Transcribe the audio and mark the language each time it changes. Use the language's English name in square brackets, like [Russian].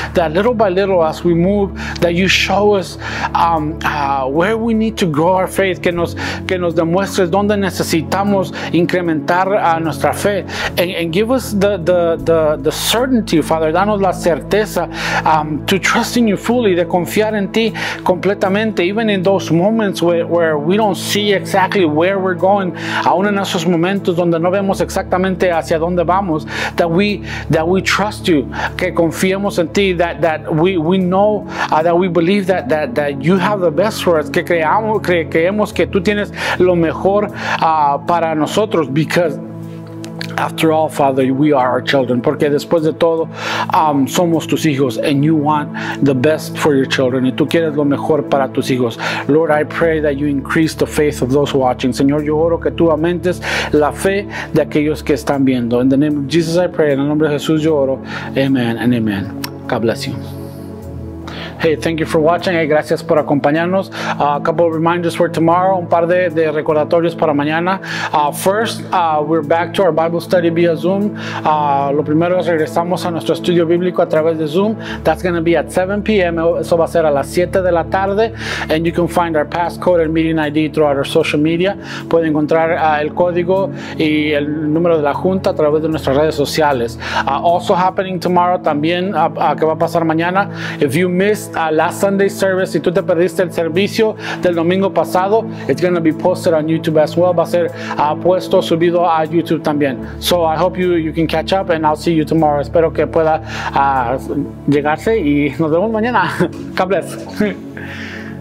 [English] That little by little, as we move, that you show us where we need to grow our faith. [Spanish] Que nos demuestres dónde necesitamos incrementar nuestra fe. [English] And give us the certainty, Father. [Spanish] Danos la certeza [English] to trust in you fully, [Spanish] de confiar en ti completamente, [English] even in those moments where we don't see exactly where we're going. [Spanish] Aún en esos momentos donde no vemos exactamente hacia donde vamos, [English] that we trust you, [Spanish] que confiemos en ti, [English] that we know that we believe that you have the best for us, [Spanish] que creemos que tú tienes lo mejor para nosotros, [English] because after all, Father, we are our children. [Spanish] Porque después de todo, somos tus hijos. [English] And you want the best for your children. [Spanish] Y tú quieres lo mejor para tus hijos. [English] Lord, I pray that you increase the faith of those watching. [Spanish] Señor, yo oro que tú aumentes la fe de aquellos que están viendo. [English] In the name of Jesus, I pray. [Spanish] En el nombre de Jesús, yo oro. [English] Amen and amen. God bless you. Hey, thank you for watching. [Spanish] Hey, gracias por acompañarnos. [English] A couple of reminders for tomorrow. [Spanish] Un par de recordatorios para mañana. [English] First, we're back to our Bible study via Zoom. [Spanish] Lo primero es regresamos a nuestro estudio bíblico a través de Zoom. [English] That's going to be at 7 p.m. [Spanish] Eso va a ser a las 7 de la tarde. [English] And you can find our passcode and meeting ID throughout our social media. [Spanish] Puede encontrar el código y el número de la junta a través de nuestras redes sociales. [English] Also happening tomorrow, [Spanish] también que va a pasar mañana. [English] If you miss last Sunday service, [Spanish] si tú te perdiste el servicio del domingo pasado, [English] it's going to be posted on YouTube as well. [Spanish] Va a ser puesto, subido a YouTube también. [English] So I hope you can catch up and I'll see you tomorrow. [Spanish] Espero que pueda llegarse y nos vemos mañana. [English] God bless.